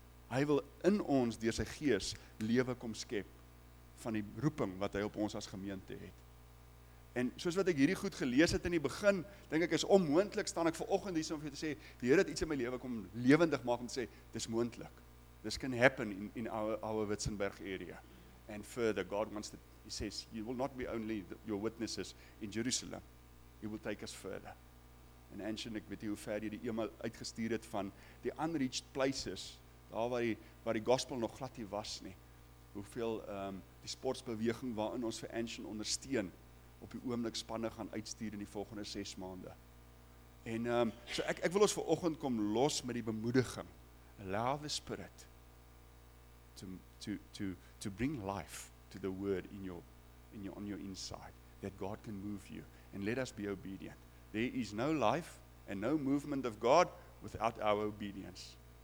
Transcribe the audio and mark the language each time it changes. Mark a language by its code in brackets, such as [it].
[af] Hy wil in ons deur sy gees lewe kom skep, van die roeping wat hy op ons as gemeente het. En soos wat ek hierdie goed gelees het in die begin, denk ek is onmoontlik, staan ek vanoggend hier om vir jou te sê, die Here het iets in my lewe kom lewendig maak om te sê, dis moontlik. [en] This can happen in our Witzenberg area. And further, God wants to, He says, you will not be only your witnesses in Jerusalem. [af] He will take us further. En Anshin, ek weet nie hoe ver jy die e-mail uitgestuur het van die unreached places, daar waar die gospel nog glad nie was nie. Hoeveel die sportsbeweging waarin ons vir Anshin ondersteun op die oomblik spanne gaan uitstuur in die volgende 6 maande. En so ek wil ons vanoggend kom los met die bemoediging. [en] Allow the Spirit to bring life to the word on your inside that God can move you, and let us be obedient. There is no life and no movement of God without our obedience.